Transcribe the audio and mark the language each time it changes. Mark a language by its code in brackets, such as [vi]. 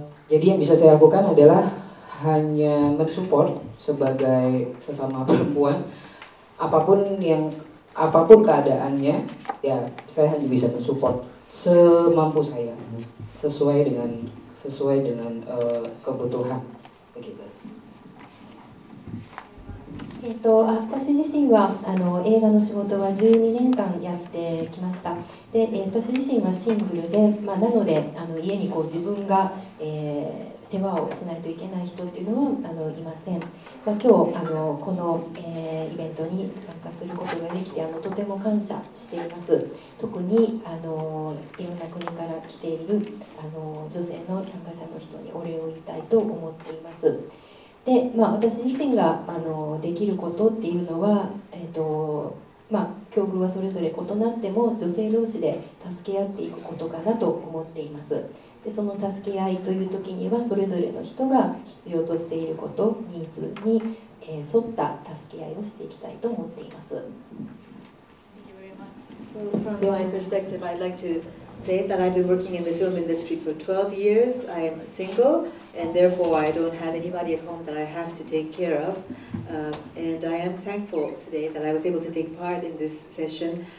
[id] Jadi yang bisa saya lakukan adalah hanya mensupport sebagai sesama perempuan, apapun keadaannya, ya saya hanya bisa mensupport semampu saya, sesuai dengan kebutuhan. [ja] 私自身は映画の仕事は12年間やってきました。で、私自身はシングルで、まあ、なので家にこう自分が、世話をしないといけない人というのはいません。まあ、今日この、イベントに参加することができてとても感謝しています。特にいろんな国から来ている女性の参加者の人にお礼を言いたいと思っています。で、まあ、私自身ができることっていうのは、まあ、境遇はそれぞれ異なっても女性同士で助け合っていくことかなと思っています。でその助け合いという時にはそれぞれの人が必要としていることニーズに沿った助け合いをしていきたいと思っています。 [en] Thank you very much. So from my perspective, I'd like to say that I've been working in the film industry for 12 years. I am singleAnd therefore, I don't have anybody at home that I have to take care of. And I am thankful today that I was able to take part in this session.